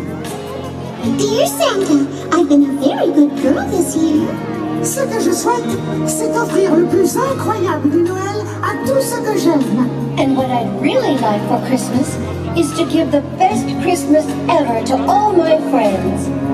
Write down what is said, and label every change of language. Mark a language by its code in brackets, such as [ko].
[en] Dear Santa, I've been a very good girl this year. [fr] Ce que je souhaite, c'est offrir le plus incroyable de Noël à tout ce que j'aime. [en] And what I'd really like for Christmas is to give the best Christmas ever to all my friends.